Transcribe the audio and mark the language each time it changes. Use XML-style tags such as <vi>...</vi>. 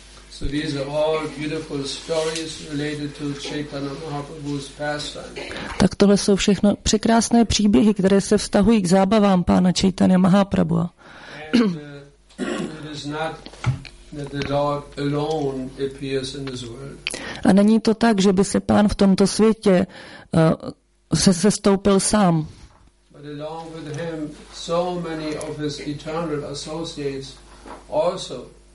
<en>So these are all beautiful stories related to Chaitanya Mahaprabhu's pastime.</en> <cs>Tak tohle jsou všechno překrásné příběhy, které se vztahují k zábavám pána Chaitanya Mahaprabhu.</cs> <en>It is not that the Lord alone appears in this world.</en> <cs>A není to tak, že by se pán v tomto světě sestoupil sám.</cs> <en>But along with him, so many of his eternal associates also.</en>